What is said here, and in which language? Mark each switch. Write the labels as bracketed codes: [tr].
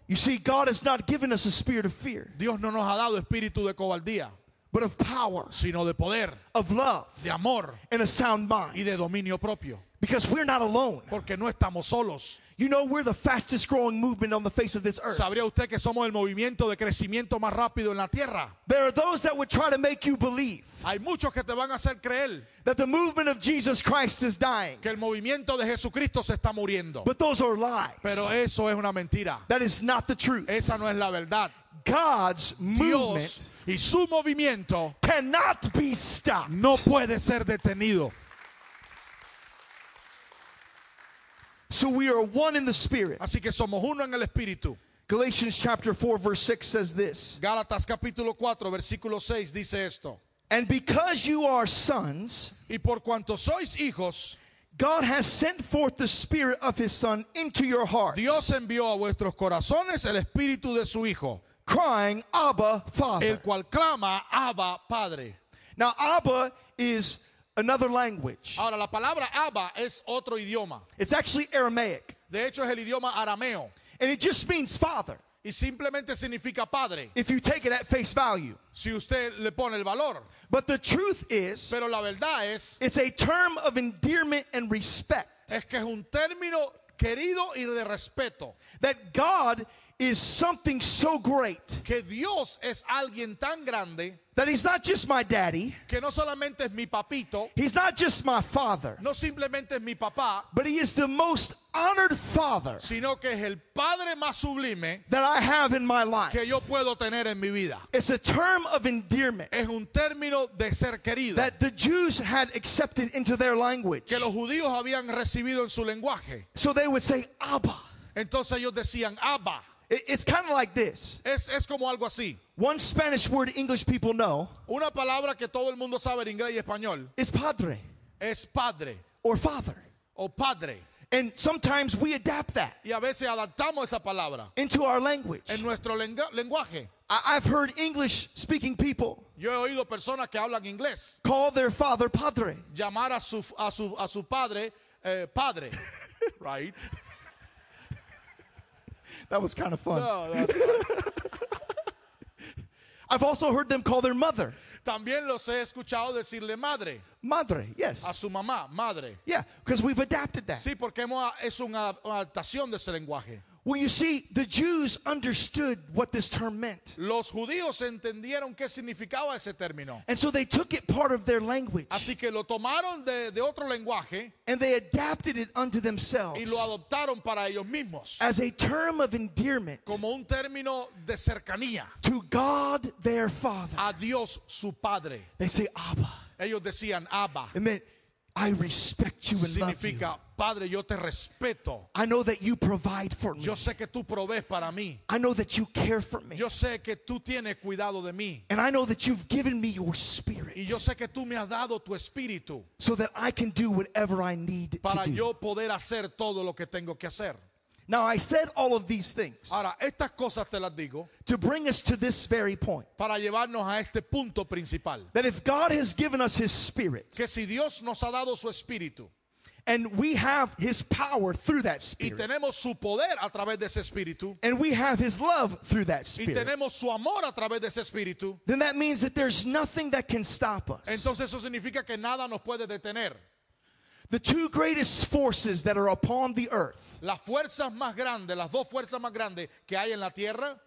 [en] You see, God has not given us a spirit of fear. [es] Dios no nos ha dado espíritu de cobardía. [en] But of power. [es] Sino de poder. [en] Of love. [es] De amor. [en] And a sound mind. [es] Y de dominio propio. [en] Because we're not alone. [es] Porque no estamos solos. [en] You know we're the fastest growing movement on the face of this earth. [es] ¿Sabría usted que somos el movimiento de crecimiento más rápido en la tierra? [en] There are those that would try to make you believe. [es] Hay muchos que te van a hacer creer. [en] That the movement of Jesus Christ is dying. [es] Que el movimiento de Jesucristo se está muriendo. [en] But those are lies. [es] Pero eso es una mentira. [en] That is not the truth. [es] Esa no es la verdad. [en] God's movement. [es] Dios y su movimiento. [en] Cannot be stopped. [es] No puede ser detenido. [en] So we are one in the spirit. [es] Así que somos uno en el espíritu. [en] Galatians chapter 4 verse 6 says this. [es] Gálatas capítulo 4 versículo 6 dice esto. [en] And because you are sons, [es] y por cuanto sois hijos, [en] God has sent forth the spirit of his son into your hearts. [es] Dios envió a vuestros corazones el espíritu de su hijo. [en] Crying Abba Father. [es] El cual clama Abba Padre. [en] Now Abba is another language. [es] Ahora la palabra Abba es otro idioma. [en] It's actually Aramaic. [es] De hecho es el idioma arameo. [en] And it just means father. [es] Y simplemente significa padre. [en] If you take it at face value. [es] Si usted le pone el valor. [en] But the truth is. [es] Pero la verdad es. [en] It's a term of endearment and respect. [es] Es que es un término querido y de respeto. [en] That God is something so great. [es] Que Dios es alguien tan grande. [en] That he's not just my daddy. [es] Que no solamente es mi papito. [en] He's not just my father. [es] No simplemente es mi papá. [en] But he is the most honored father. [es] Sino que es el padre más sublime. [en] That I have in my life. [es] Que yo puedo tener en mi vida. [en] It's a term of endearment. [es] Es un término de ser querido. [en] That the Jews had accepted into their language. [es] Que los judíos habían recibido en su lenguaje. [en] So they would say Abba. [es] Entonces ellos decían Abba. [en] It's kind of like this. [es] Es como algo así. [en] One Spanish word English people know. [es] Una palabra que todo el mundo sabe en inglés y español. [en] Is padre. [es] Es padre. [en] Or father. [es] O padre. [en] And sometimes we adapt that. [es] Y a veces adaptamos esa palabra. [en] Into our language. [es] En nuestro lenguaje. [en] I've heard English speaking people. [es] Yo he oído personas que hablan inglés. [en] Call their father padre. [es] Llamar a su padre padre. [en] Right? That was kind of fun. No, that's fine. I've also heard them call their mother. [es] También los he escuchado decirle madre. [en] Madre, yes. [es] A su mamá, madre. [en] Yeah, because we've adapted that. [es] Sí, porque es una adaptación de ese lenguaje. [en] Well, you see, the Jews understood what this term meant. [es] Los judíos entendieron qué significaba ese término. [en] And so they took it part of their language. [es] Así que lo tomaron de otro lenguaje. [en] And they adapted it unto themselves. [es] Y lo adoptaron para ellos mismos. [en] As a term of endearment. [es] Como un término de cercanía. [en] To God, their Father. [es] A Dios, su Padre. [en] They say, Abba. [es] Ellos decían, Abba. [en] It meant, I respect you and [es] significa, [en] love you. [es] Padre, yo te respeto. [en] I know that you provide for me. [es] Yo sé que tú provees para mí. [en] I know that you care for me. [es] Yo sé que tú tienes cuidado de mí. [en] And I know that you've given me your spirit. [es] Y yo sé que tú me has dado tu espíritu. [en] So that I can do whatever I need to do. [es] Para yo poder hacer todo lo que tengo que hacer. [en] Now I said all of these things. [es] Ahora, estas cosas te las digo. [en] To bring us to this very point. [es] Para llevarnos a este punto principal. [en] That if God has given us his spirit. [es] Que si Dios nos ha dado su espíritu. [en] And we have his power through that spirit. [es] Y tenemos su poder a través de ese espíritu. [en] And we have his love through that spirit. [es] Y tenemos su amor a través de ese espíritu. [en] Then that means that there's nothing that can stop us. [es] Entonces eso significa que nada nos puede detener. [en] The two greatest forces that are upon the earth. [es] Las fuerzas más grandes, las dos fuerzas más grandes que hay en la tierra.